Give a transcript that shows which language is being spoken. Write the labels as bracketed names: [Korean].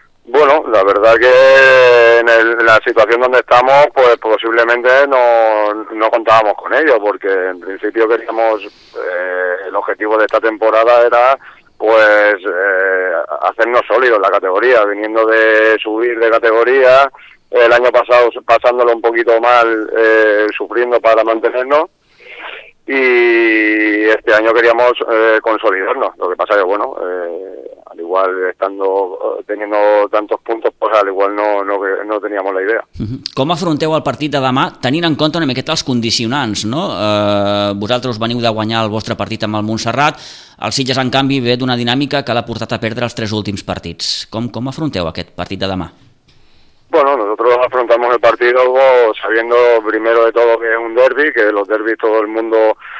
[Spanish] Bueno, la verdad que en la situación donde estamos, pues posiblemente no contábamos con ello, porque en principio queríamos, el objetivo de esta temporada era, pues, hacernos sólidos en la categoría, viniendo de subir de categoría, el año pasado pasándolo un poquito mal, sufriendo para mantenernos, y este año queríamos consolidarnos, lo que pasa que, bueno... al igual estando teniendo tantos puntos, pues al igual no teníamos la idea. [Catalan] Com afronteu el partit de demà, tenint en compte una miqueta els condicionants, no? Vosaltres veniu de guanyar el vostre partit amb el Montserrat, el Sitges, en canvi, ve d'una dinàmica que l'ha portat a perdre els tres últims partits. Com afronteu aquest partit de demà? [Spanish] Bueno, nosotros afrontamos el partido sabiendo primero de todo que es un derbi, que los derbis todo el mundo...